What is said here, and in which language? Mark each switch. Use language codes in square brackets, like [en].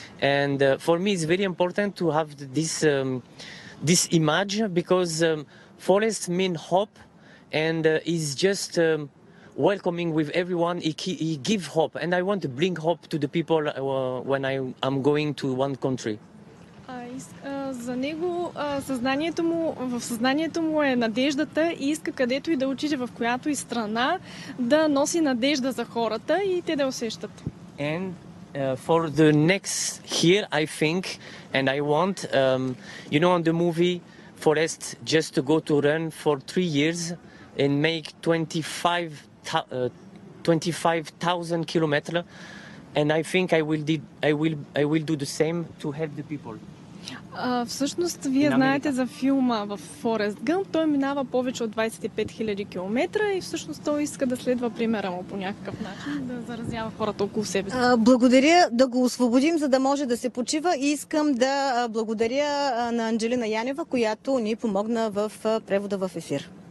[en] And for me it's very important to have this this image because forest mean hope, and is just welcoming with everyone. He give hope, and I want to bring hope to the people when I am going to one country. [bg] За него в съзнанието му е надеждата и иска където и да учите, в която и страна, да носи надежда за хората и те да усещат. [en] And for the next year, I think, and I want, you know, on the movie Forest, just to go to run for 3 years and make 25,000 kilometers, and I think I will do the same to help the people. [bg] Всъщност, вие знаете за филма в Forest Gump. Той минава повече от 25 000 км и всъщност той иска да следва примера му по някакъв начин, да заразява хората около себе си. Благодаря да го освободим, за да може да се почива. И искам да благодаря на Анджелина Янева, която ни помогна в превода в ефир.